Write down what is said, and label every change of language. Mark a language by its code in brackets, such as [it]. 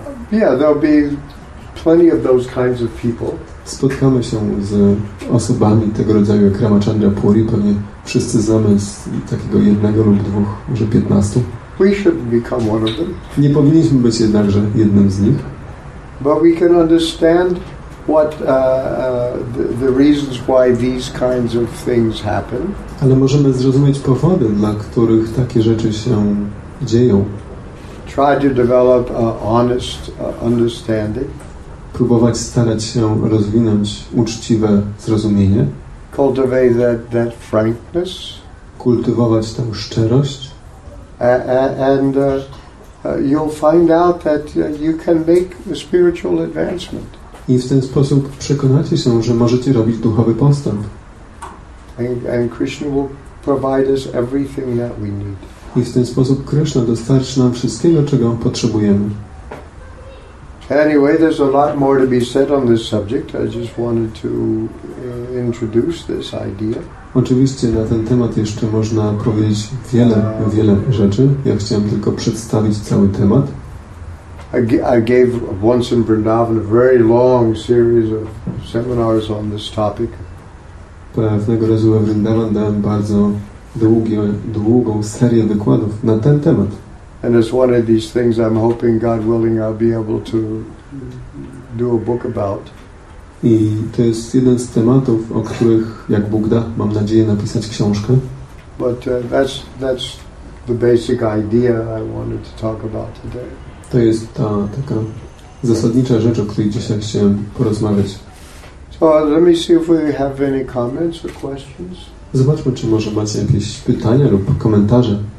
[en] Yeah, there'll be plenty of those kinds of people. [pl] Spotkamy się z osobami tego rodzaju jak Ramachandra Puri, pewnie wszyscy znamy z takiego jednego lub dwóch, może 15. [en] We shouldn't become one of them. [pl] Nie powinniśmy być jednakże jednym z nich. [en] But we can understand what the reasons why these kinds of things happen. [pl] Ale możemy zrozumieć powody, dla których takie rzeczy się dzieją. [en] Try to develop an honest understanding. [pl] Próbować starać się rozwinąć uczciwe zrozumienie. [en] Cultivate that frankness. [pl] Kultywować tę szczerość. [en] And you'll find out that you can make a spiritual advancement. [pl] I w ten sposób przekonacie się, że możecie robić duchowy postęp. [en] And Krishna will provide us everything that we need. [pl] I w ten sposób Krishna dostarczy nam wszystkiego, czego potrzebujemy. [en] Anyway, there's a lot more to be said on this subject. I just wanted to introduce this idea. [pl] Oczywiście na ten temat jeszcze można powiedzieć wiele, wiele rzeczy. Ja chciałem tylko przedstawić cały temat. [en] I gave once in Vrindavan a very long series of seminars on this topic. [pl] Pewnego razu we Vrindavan dałem bardzo długą serię wykładów na ten temat. [en] And it's one of these things I'm hoping, God willing, I'll be able to do a book about. [pl] I to jest jeden z tematów, o których, jak Bóg da, mam nadzieję napisać książkę. [en] But that's the basic idea I wanted to talk about today. [pl] To jest ta taka zasadnicza rzecz, o której dzisiaj chciałem porozmawiać. [en] So let me see if we have any comments or questions. [pl] Zobaczmy, czy może macie jakieś pytania lub komentarze.